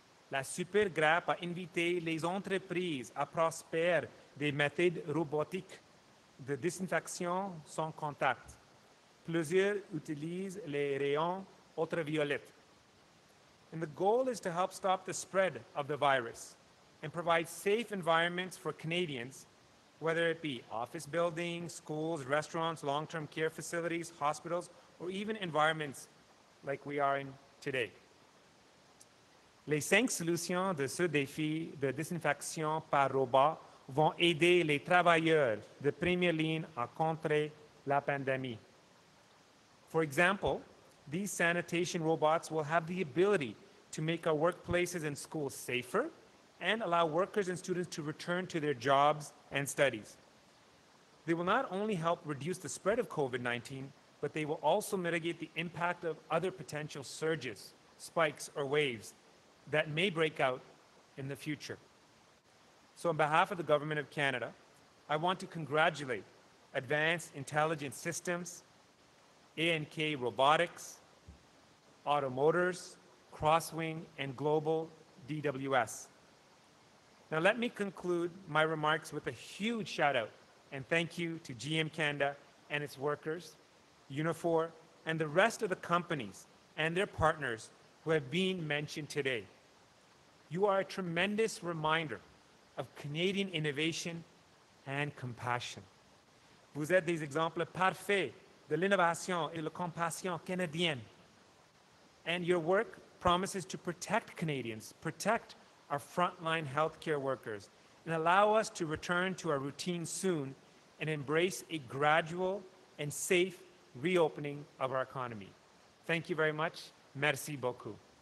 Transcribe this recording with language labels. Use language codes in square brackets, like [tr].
[fr] La Supergrappe a invité les entreprises à prospérer des méthodes robotiques de disinfection sans contact. Plusieurs utilisent les rayons ultraviolets. [en] And the goal is to help stop the spread of the virus and provide safe environments for Canadians, whether it be office buildings, schools, restaurants, long-term care facilities, hospitals, or even environments like we are in today. [fr] Les cinq solutions de ce défi de disinfection par robot vont aider les travailleurs de première ligne à contrer la pandémie. [en] For example, these sanitation robots will have the ability to make our workplaces and schools safer and allow workers and students to return to their jobs and studies. They will not only help reduce the spread of COVID-19, but they will also mitigate the impact of other potential surges, spikes, or waves that may break out in the future. So on behalf of the Government of Canada, I want to congratulate Advanced Intelligent Systems, ANK Robotics, Automotors, Crosswing, and Global DWS. Now let me conclude my remarks with a huge shout out and thank you to GM Canada and its workers, Unifor, and the rest of the companies and their partners who have been mentioned today. You are a tremendous reminder of Canadian innovation and compassion. [fr] Vous êtes des exemples parfaits de l'innovation et la compassion canadienne. [en] And your work promises to protect Canadians, protect our frontline healthcare workers, and allow us to return to our routine soon and embrace a gradual and safe reopening of our economy. Thank you very much. [fr] Merci beaucoup.